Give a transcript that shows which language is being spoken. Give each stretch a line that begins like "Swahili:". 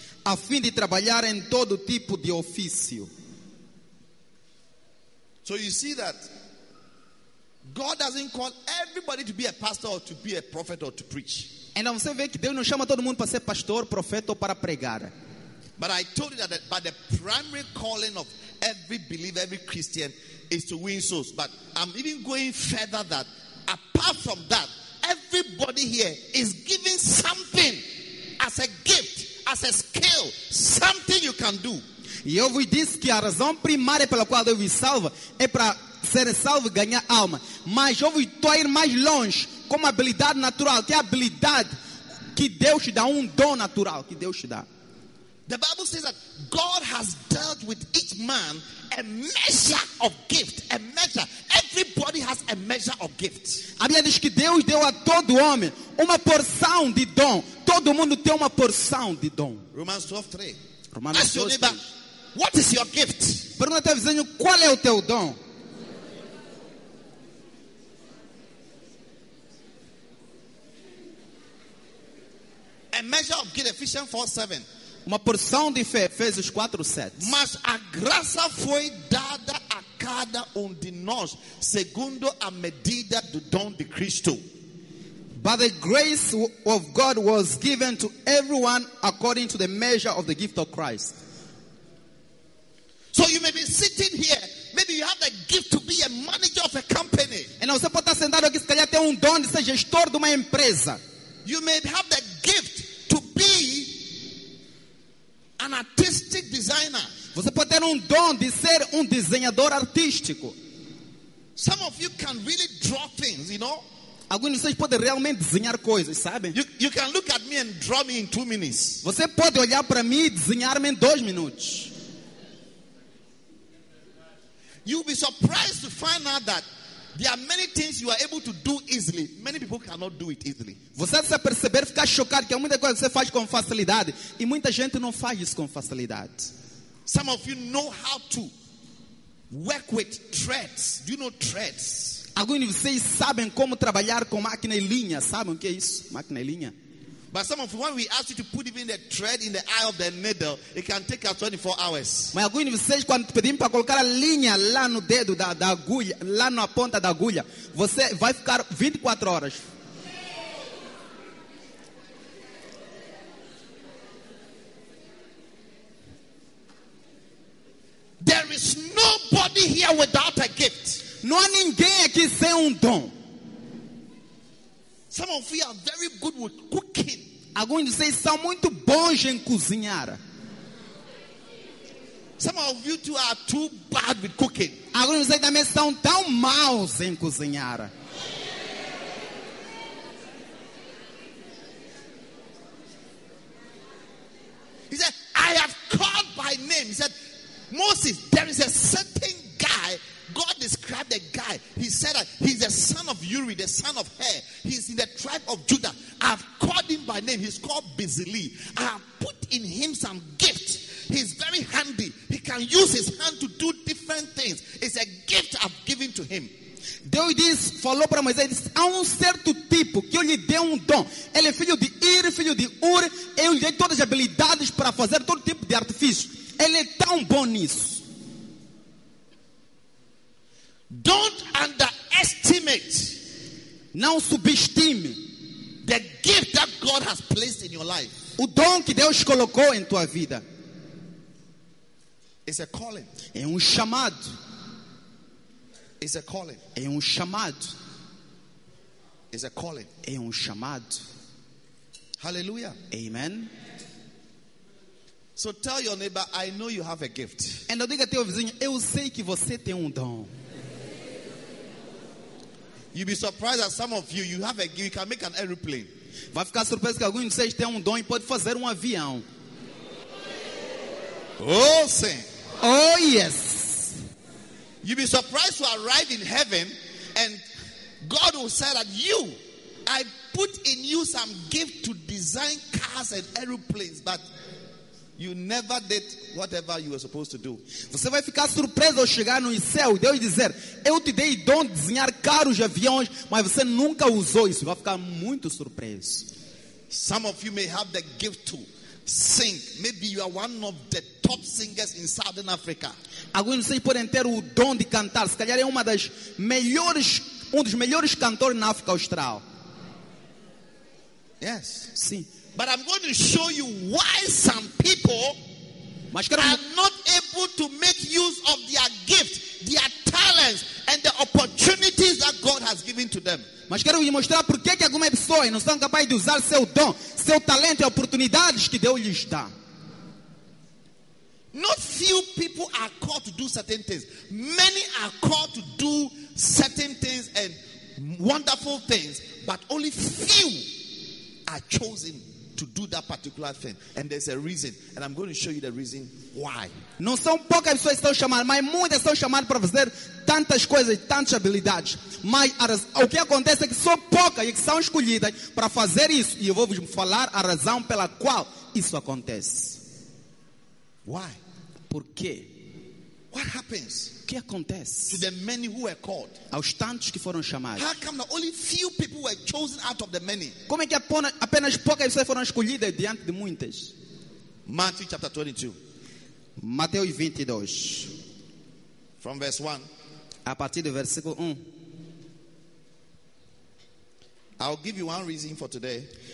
Portuguese: a fim de trabalhar em todo tipo de ofício.
English: So you see that God doesn't call everybody to be a pastor or to be a prophet or to preach.
Portuguese: Então você vê que Deus não chama todo mundo para ser pastor, profeta ou para pregar.
English: But I told you that by the primary calling of every believer, every Christian, is to win souls. But I'm even going further that, apart from that, everybody here is giving something as a gift, as a skill, something you can do.
Portuguese: E eu vos disse que a razão primária pela qual Deus vos salva é para ser salvo e ganhar alma. Mas eu estou a ir mais longe, com uma habilidade natural, que é a habilidade que Deus te dá, um dom natural que Deus te dá.
English: The Bible says that God has dealt with each man a measure of gift, a measure. Everybody has a measure of gift.
Portuguese: A Bíblia diz que Deus deu a todo homem uma porção de dom. Todo mundo tem uma porção de dom.
English: Romans 12:3.
Portuguese: Romanos 12:3.
English: Ask your neighbor, what is your gift?
Portuguese: Pergunta teu vizinho, qual é o teu dom?
English: A measure of gift, Ephesians 4:7.
Portuguese: Uma porção de fé, Efésios 4, 7. Mas a graça foi dada a cada de nós, segundo a medida do dom de Cristo.
English: But the grace of God was given to everyone according to the measure of the gift of Christ. So you may be sitting here, maybe you have the gift to be a manager of a company.
Portuguese: E não, você pode estar sentado aqui, se calhar tem dom de ser gestor de uma empresa.
English: You may have the gift to be an artistic designer.
Portuguese: Você pode ter dom de ser desenhador artístico.
English: Some of you can really draw things, you know?
Portuguese: Alguns de vocês podem realmente desenhar coisas, sabe?
English: You can look at me and draw me in 2 minutes.
Portuguese: Você pode olhar para mim e desenhar-me em 2 minutos.
English: You'll be surprised to find out that there are many things you are able to do easily. Many people cannot do it easily.
Portuguese: Você vai perceber, ficar chocado, que há muita coisa que você faz com facilidade e muita gente não faz isso com facilidade.
English: Some of you know how to work with threads. Do you know threads?
Portuguese: Alguns de vocês sabem como trabalhar com máquina e linha. Sabem o que é isso? Máquina e linha.
English: But some of you, when we ask you to put even the thread in the eye of the needle, it can take us 24 hours.
Portuguese: Mas alguns de vocês, quando pedimos para colocar a linha lá no dedo da agulha, lá na ponta da agulha, você vai ficar 24 horas.
English: There is nobody here without a gift.
Portuguese: Não há ninguém aqui sem dom.
English: Some of you are very good with cooking.
Portuguese: Alguns de vocês são muito bons em cozinhar.
English: Some of you too are too bad with cooking.
Portuguese: Alguns de vocês também são tão maus em cozinhar.
English: He said, I have called by name. He said, Moses, there is a certain guy. God described a guy. He said that he's the son of Uri, the son of Hur. He's in the tribe of Judah. I've called him by name. He's called Bezalel. I have put in him some gift. He's very handy. He can use his hand to do different things. It's a gift I've given to him.
Portuguese: Deus diz, falou para Moisés, há certo tipo que eu lhe dei dom. Ele é filho de Ir, filho de Ur. Eu lhe dei todas as habilidades para fazer todo tipo de artifício. Ele é tão bom nisso.
English: Don't underestimate.
Portuguese: Não subestime
English: the gift that God has placed in your life.
Portuguese: O dom que Deus colocou em tua vida.
English: It's a calling.
Portuguese: É chamado.
English: It's a calling.
Portuguese: É chamado.
English: It's a calling.
Portuguese: É chamado. Hallelujah. Amen.
English: So tell your neighbor, I know you have a gift.
Portuguese: Então diga teu vizinho, eu sei que você tem dom.
English: You'll be surprised that some of you have a gift, you can make an aeroplane.
Portuguese: Vai ficar surpreso que alguns de vocês têm dom e pode fazer avião. Oh, sim.
English: Oh, yes. You'll be surprised to arrive in heaven and God will say that you, I put in you some gift to design cars and aeroplanes, but You never did whatever you were supposed to do.
Portuguese: Você vai ficar surpreso ao chegar no céu e Deus dizer: eu te dei dom de desenhar caros aviões, mas você nunca usou isso. Vai ficar muito surpreso.
English: Some of you may have the gift to sing. Maybe you are one of the top singers in Southern Africa.
Portuguese: Alguns de vocês podem ter o dom de cantar. Se calhar é uma das melhores, um dos melhores cantores na África Austral.
English: Yes.
Portuguese: Sim.
English: But I'm going to show you why some people are not able to make use of their gifts, their talents, and the opportunities that God has given to them.
Portuguese: Mas quero lhe mostrar por que algumas pessoas não são capazes de usar seu dom, seu talento e oportunidades que Deus lhes dá.
English: Not few people are called to do certain things. Many are called to do certain things and wonderful things, but only few are chosen to do that particular thing. And there's a reason, and I'm going to show you the reason why.
Portuguese: Não são poucas pessoas que estão chamadas, mas muitas são chamadas para fazer tantas coisas e tantas habilidades. Mas o que acontece é que são poucas e que são escolhidas para fazer isso. E eu vou falar a razão pela qual isso acontece.
English: Why?
Portuguese: Por quê?
English: What happens?
Portuguese: O que acontece?
English: To the many who were called.
Portuguese: Aos tantos que foram chamados.
English: How come that only few people were chosen out of the many?
Portuguese: Como é que apenas poucas pessoas foram escolhidas diante de muitas?
English: Matthew chapter 22.
Portuguese: Mateus 22.
English: From verse 1.
Portuguese: A partir do versículo 1.
English: I'll give you one reason for today.